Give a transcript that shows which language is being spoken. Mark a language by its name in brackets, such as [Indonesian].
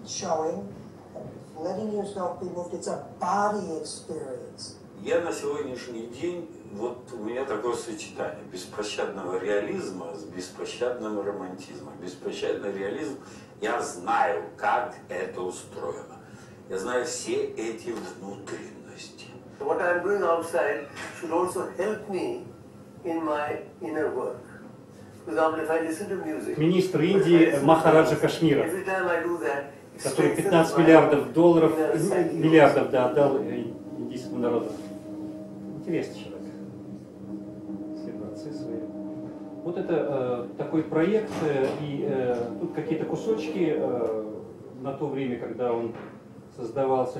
[English] Letting yourself be moved, it's a body experience. [Russian] Я на сегодняшний день, вот у меня такое сочетание беспощадного реализма с беспощадным романтизмом. Беспощадный реализм, я знаю, как это устроено. Я знаю все эти внутренности. [English] What I'm doing outside should also help me in my inner work. Because if I listen to music, [Russian] министр Индии Махараджа Кашмира, который 15 миллиардов долларов, миллиардов, да, отдал индийскому народу. Интересный человек. Все творцы свои. Вот это такой проект, и тут какие-то кусочки на то время, когда он создавался.